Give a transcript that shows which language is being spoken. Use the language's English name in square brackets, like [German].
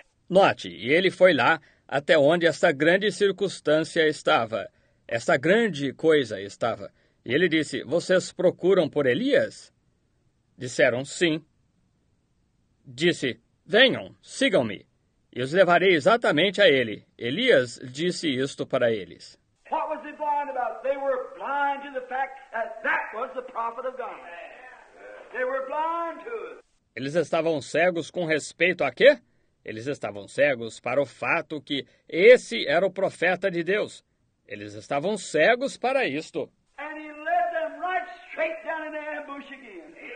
[Portuguese] Note, e ele foi lá até onde esta grande circunstância estava, esta grande coisa estava. E ele disse, vocês procuram por Elias? Disseram, sim. Disse, venham, sigam-me. E os levarei exatamente a ele. Elias disse isto para eles. [English] What was he blind about? They were blind to the fact that that was the prophet of God. They were blind to it. [Portuguese] Eles estavam cegos com respeito a quê? Eles estavam cegos para o fato que esse era o profeta de Deus. Eles estavam cegos para isto. [English] And he led them right straight down in the ambush again.